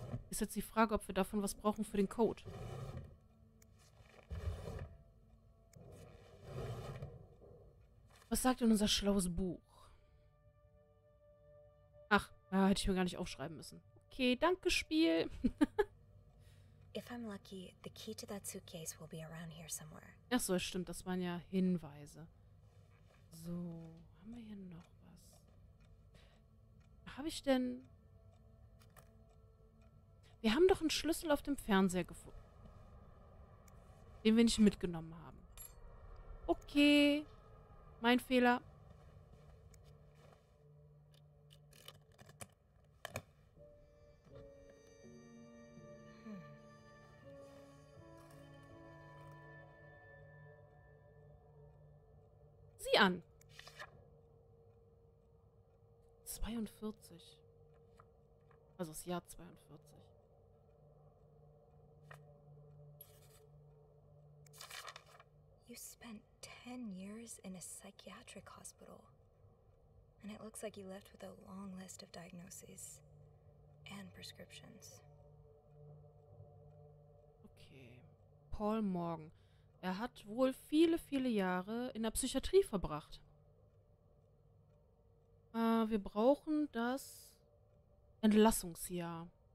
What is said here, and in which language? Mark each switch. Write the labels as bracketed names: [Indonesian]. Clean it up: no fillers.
[German] Ist jetzt die Frage, ob wir davon was brauchen für den Code. Was sagt denn unser schlaues Buch? Ach, da hätte ich mir gar nicht aufschreiben müssen. Okay, danke, Spiel. [English] If I'm lucky, the key to that suitcase will be around here somewhere. [German] Ach so, stimmt, das waren ja Hinweise. So, haben wir hier noch was? Habe ich denn... Wir haben doch einen Schlüssel auf dem Fernseher gefunden. Den wir nicht mitgenommen haben. Okay. Mein Fehler. An. 42. Also das Jahr 42. [English] You spent 10 years in a psychiatric hospital. And it looks like you left with a long list of diagnoses and prescriptions. [German] Okay. Paul Morgan. Er hat wohl viele, viele Jahre in der Psychiatrie verbracht. Wir brauchen das Entlassungsjahr.